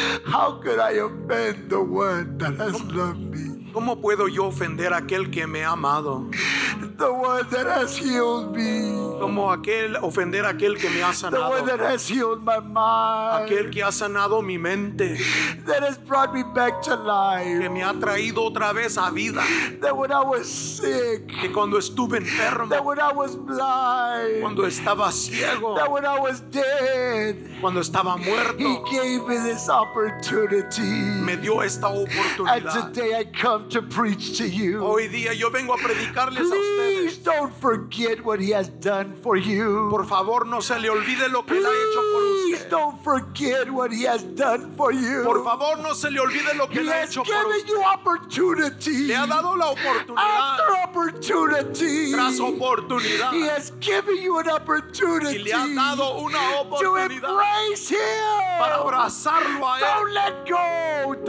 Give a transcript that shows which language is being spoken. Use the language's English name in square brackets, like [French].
[English] How could I offend the one that has loved me? [Spanish] ¿Cómo puedo yo ofender a aquel que me ha amado? [English] The one that has healed me. [Spanish] Como aquel, ofender a aquel que me ha sanado. [English] The one that has healed my mind. [Spanish] Aquel que ha sanado mi mente. [English] That has brought me back to life. [Spanish] Que me ha traído otra vez a vida. [English] That when I was sick. [Spanish] Que cuando estuve enfermo. [English] That when I was blind. [Spanish] Cuando estaba ciego. [English] That when I was dead. [Spanish] Cuando estaba muerto. [English] He gave me this opportunity. [Spanish] Me dio esta oportunidad. [English] And today I come to preach to you. [Spanish] Hoy día yo vengo a predicarles [English] Please [Spanish] a ustedes. [English] Please don't forget what he has done. For you. [Spanish] Por favor, no se le olvide lo que [English] Please [Spanish] él ha hecho por usted. [English] Don't forget what he has done for you. [Spanish] Por favor, no se le olvide lo que [English] he [Spanish] él ha hecho [English] given [Spanish] por usted. [English] You opportunity. [Spanish] Le ha dado la oportunidad. [English] After opportunity. [Spanish] Tras oportunidad. [English] He has given you an opportunity. [Spanish] Y le ha dado una oportunidad. [English] To embrace him. [Spanish] Para abrazarlo a él. [English] Don't let go. Don't